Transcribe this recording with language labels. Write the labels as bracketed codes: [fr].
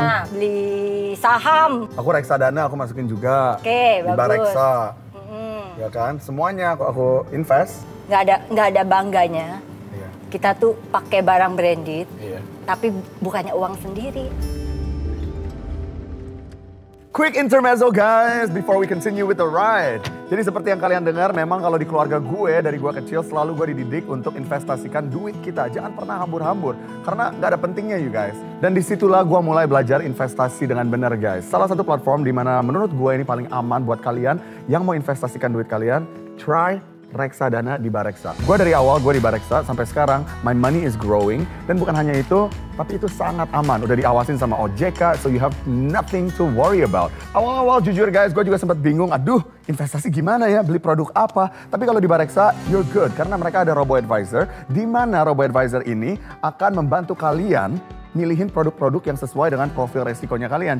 [id] Beli tanah, beli saham. Aku reksadana, aku masukin juga. Oke, okay, bagus. Bareksa. Ya kan, semuanya aku invest. Gak ada bangganya. Iya. Kita tuh pakai barang branded, iya. Tapi bukannya uang sendiri. [en] Quick intermezzo guys, before we continue with the ride. [id] Jadi seperti yang kalian dengar, memang kalau di keluarga gue, dari gue kecil selalu gue dididik untuk investasikan duit kita. Jangan pernah hambur-hambur, karena gak ada pentingnya [en] you guys. [id] Dan disitulah gue mulai belajar investasi dengan benar guys. Salah satu platform di mana menurut gue ini paling aman buat kalian yang mau investasikan duit kalian, try reksadana di Bareksa. Gue dari awal gue di Bareksa, sampai sekarang [en] my money is growing. [id] Dan bukan hanya itu, tapi itu sangat aman. Udah diawasin sama OJK, [en] so you have nothing to worry about. [id] Awal-awal jujur guys, gue juga sempat bingung, aduh investasi gimana ya, beli produk apa. Tapi kalau di Bareksa, [en] you're good. [id] Karena mereka ada robo-advisor, di mana robo-advisor ini akan membantu kalian milihin produk-produk yang sesuai dengan profil resikonya kalian.